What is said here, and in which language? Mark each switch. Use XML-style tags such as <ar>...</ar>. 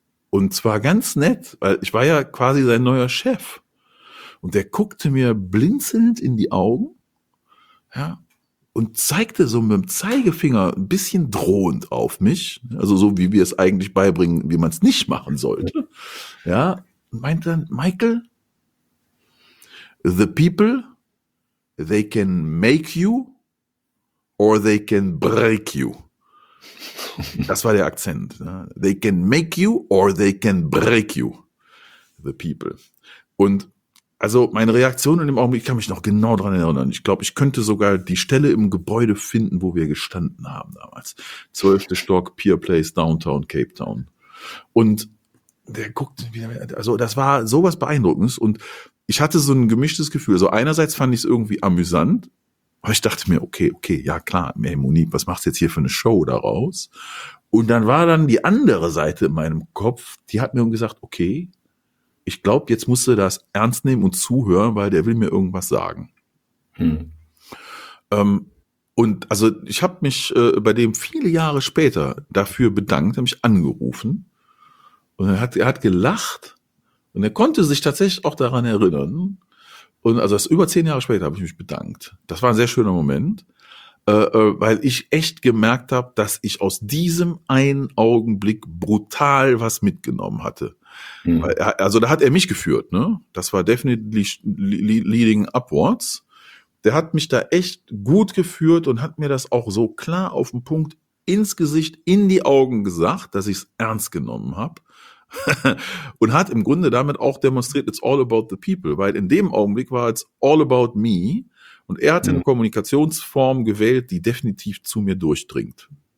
<de>Und zwar ganz nett, weil ich war ja quasi sein neuer Chef. Und der guckte mir blinzelnd in die Augen. Ja, und zeigte so mit dem Zeigefinger ein bisschen drohend auf mich, also so wie wir es eigentlich beibringen, wie man es nicht machen sollte.</de> <en>Ja, und meinte dann, Michael, the people, they can make you or they can break you. Das war der Akzent. Ja. They can make you or they can break you, the people.</en> <de>Und also meine Reaktion in dem Augenblick, ich kann mich noch genau dran erinnern. Ich glaube, ich könnte sogar die Stelle im Gebäude finden, wo wir gestanden haben damals. 12. Stock, Pier Place, Downtown, Cape Town. Und der guckt, also das war sowas Beeindruckendes. Und ich hatte so ein gemischtes Gefühl. Also einerseits fand ich es irgendwie amüsant. Aber ich dachte mir, okay, ja klar, hey Monique, was machst du jetzt hier für eine Show daraus? Und dann war dann die andere Seite in meinem Kopf, die hat mir gesagt, okay, ich glaube, jetzt musst du das ernst nehmen und zuhören, weil der will mir irgendwas sagen. Und also ich habe mich bei dem viele Jahre später dafür bedankt, er mich angerufen und er hat gelacht und er konnte sich tatsächlich auch daran erinnern. Und also das über 10 Jahre später habe ich mich bedankt. Das war ein sehr schöner Moment, weil ich echt gemerkt habe, dass ich aus diesem einen Augenblick brutal was mitgenommen hatte. Also da hat er mich geführt, ne?</de> <en>Das war definitely leading upwards.</en> <de>Der hat mich da echt gut geführt und hat mir das auch so klar auf den Punkt ins Gesicht, in die Augen gesagt, dass ich es ernst genommen habe und hat im Grunde damit auch demonstriert, it's all about the people, weil in dem Augenblick war es all about me und er hat eine Kommunikationsform gewählt, die definitiv zu mir durchdringt.</de>